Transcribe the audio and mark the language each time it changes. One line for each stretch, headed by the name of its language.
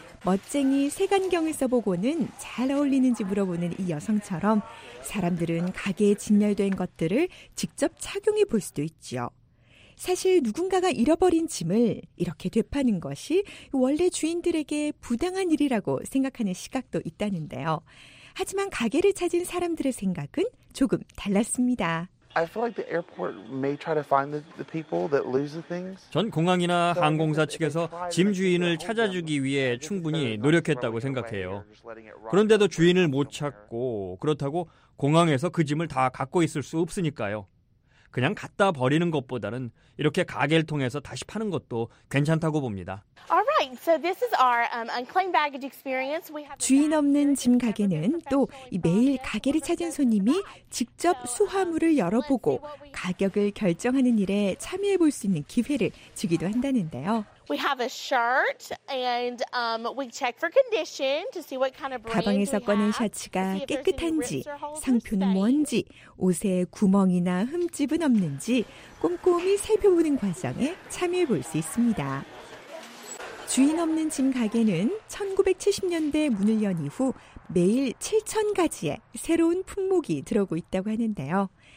Korean: 멋쟁이 색안경을 써보고는 잘 어울리는지 물어보는 이 여성처럼 사람들은 가게에 진열된 것들을 직접 착용해 볼 수도 있죠. 사실 누군가가 잃어버린 짐을 이렇게 되파는 것이 원래 주인들에게 부당한 일이라고 생각하는 시각도 있다는데요. 하지만 가게를 찾은 사람들의 생각은 조금 달랐습니다.
English: I feel like the airport may try to find the people that lose the things.
Korean: 전 공항이나 항공사 측에서 짐 주인을 찾아주기 위해 충분히 노력했다고 생각해요. 그런데도 주인을 못 찾고 그렇다고 공항에서 그 짐을 다 갖고 있을 수 없으니까요. 그냥 갖다 버리는 것보다는 이렇게 가게를 통해서 다시 파는 것도 괜찮다고 봅니다.
English: All right. So this is our unclaimed baggage experience. We have
Korean: 주인 없는 짐 가게는 또 매일 가게를 찾은 손님이 직접 수화물을 열어보고 가격을 결정하는 일에 참여해 볼 수 있는 기회를 주기도 한다는데요.
English: We have a shirt and we check for condition to see what kind of brand.
Korean: 가방에서 꺼낸 셔츠가 깨끗한지, 상표는 뭔지, 옷에 구멍이나 흠집은 없는지 꼼꼼히 살펴보는 과정에 참여해 볼 수 있습니다. 주인 없는 짐 가게는 1970년대 문을 연 이후 매일 7천 가지의 새로운 품목이 들어오고 있다고 하는데요.